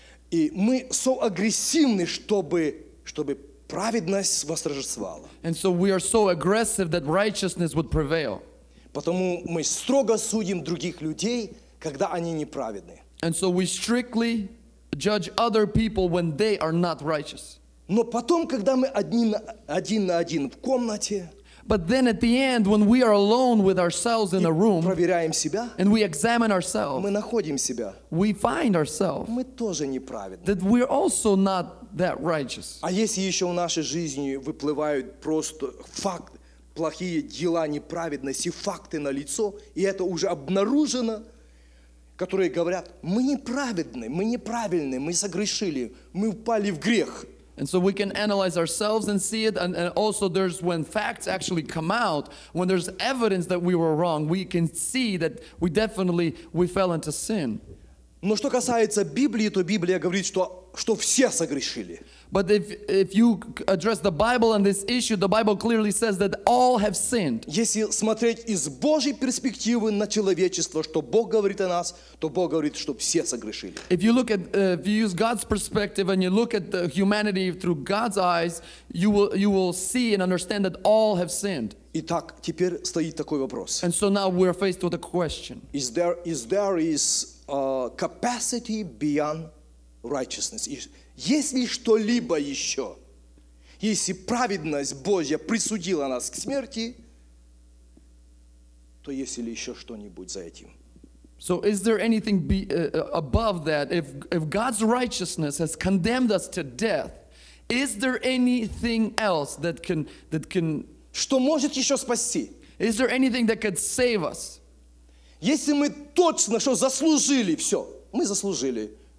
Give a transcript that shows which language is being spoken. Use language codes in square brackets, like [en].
[ru] И мы [en] so [ru] агрессивны, чтобы праведность восторжествовала. [en] And so we are so aggressive that righteousness would prevail. [ru] Потому мы строго судим других людей, когда они неправедны. [en] And so we strictly judge other people when they are not righteous. [ru] Но потом, когда мы один на один в комнате, [en] but then at the end, when we are alone with ourselves in a room, [ru] проверяем себя, [en] and we examine ourselves, [ru] мы находим себя, [en] we find ourselves, [ru] мы тоже неправедны, [en] that we are also not that righteous. [ru] А если еще в нашей жизни выплывают просто факты, плохие дела, неправедности, факты на лицо, и это уже обнаружено, которые говорят, мы неправедны, мы неправильны, мы согрешили, мы упали в грех. [en] And so we can analyze ourselves and see it. And also there's when facts actually come out, when there's evidence that we were wrong, we can see that we definitely fell into sin. [ru] Но что касается Библии, то Библия говорит, что все согрешили. [en] But if you address the Bible on this issue, the Bible clearly says that all have sinned. [ru] Если смотреть из Божьей перспективы на человечество, что Бог говорит о нас, то Бог говорит, что все согрешили. [en] If you look at if you use God's perspective and you look at the humanity through God's eyes, you will see and understand that all have sinned. [ru] Итак, теперь стоит такой вопрос. [en] And so now we're faced with a question. Is there capacity beyond righteousness? [ru] Есть ли что-либо еще, если праведность Божья присудила нас к смерти, то есть ли еще что-нибудь за этим? [en] So is there anything above that? If God's righteousness has condemned us to death, is there anything else that can? [ru] Что может еще спасти? [en] Is there anything that could save us? [ru] Если мы точно что заслужили все, мы заслужили.